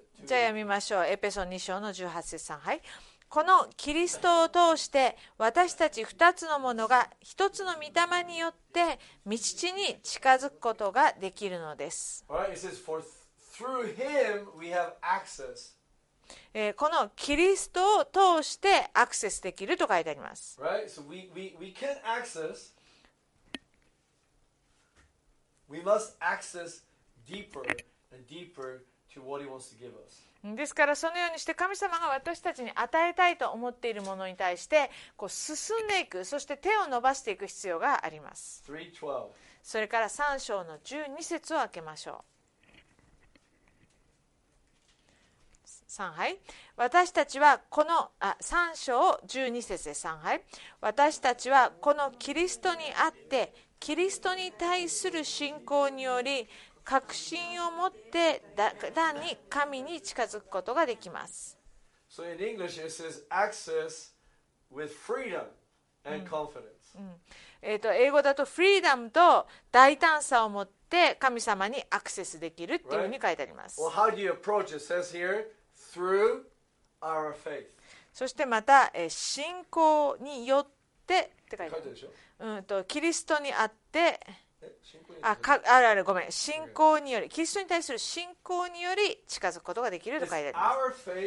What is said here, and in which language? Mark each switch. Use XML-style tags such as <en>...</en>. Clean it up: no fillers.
<ja>じゃあ読みましょう。エペソ2章の18節さん、はい。このキリストを通して私たち2つのものが1つの御霊によって御父に近づくことができるのです。このキリストを通してアクセスできると書いてあります。</ja> <en>Right? So we can access We must access deeper and deeper to what He wants to give us.</en> <ja>ですからそのようにして神様が私たちに与えたいと思っているものに対してこう進んでいく、そして手を伸ばしていく必要があります。それから3章の12節を開けましょう。 3、はい、私たちはこの3章12節で3、はい、私たちはこのキリストにあってキリストに対する信仰により確信を持ってだだに神に近づくことができます。</ja> <en>So in English it says access with freedom and confidence.</en> <ja>英語だとフリーダムと大胆さを持って神様にアクセスできるっていうふうに書いてあります。</ja> <en>Well, how do you approach it? It says here through our faith.</en> <ja>そしてまた信仰によってって書いてあるでしょ。キリストにあって信仰によるあるごめん信仰によりキリストに対する信仰により近づくことができると書いてあります。</ja>